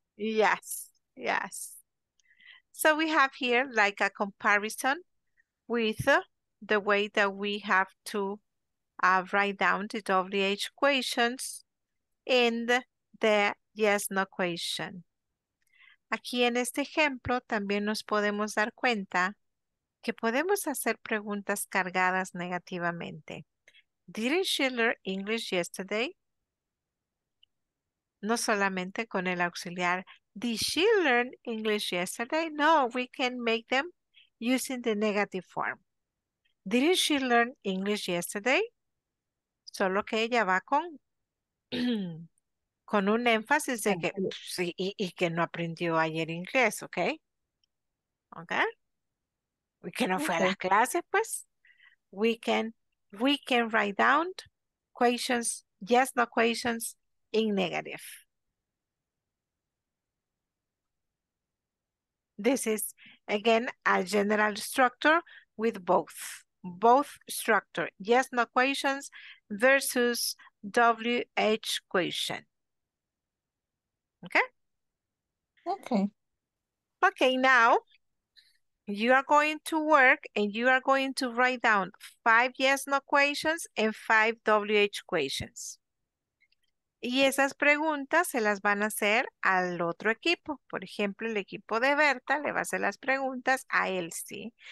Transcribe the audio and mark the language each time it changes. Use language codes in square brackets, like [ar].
[en] Yes. So we have here like a comparison with the way that we have to write down the WH questions in the yes-no question. [es] Aquí en este ejemplo también nos podemos dar cuenta que podemos hacer preguntas cargadas negativamente. [en] Didn't she learn English yesterday? [es] No solamente con el auxiliar. [en] Did she learn English yesterday? No, we can make them using the negative form. Didn't she learn English yesterday? [es] Solo que ella va con, con un énfasis de que sí, y que no aprendió ayer inglés, ¿ok? [en] ¿Ok? We can offer okay. [es] Clases, pues. [en] We can write down questions, yes, no questions, in negative. This is, again, a general structure with both structure, yes, no questions versus WH question. Okay, now. You are going to work and you are going to write down 5 yes-no questions and 5 WH questions. [es] Y esas preguntas se las van a hacer al otro equipo. Por ejemplo, el equipo de Berta le va a hacer las preguntas a Elsie.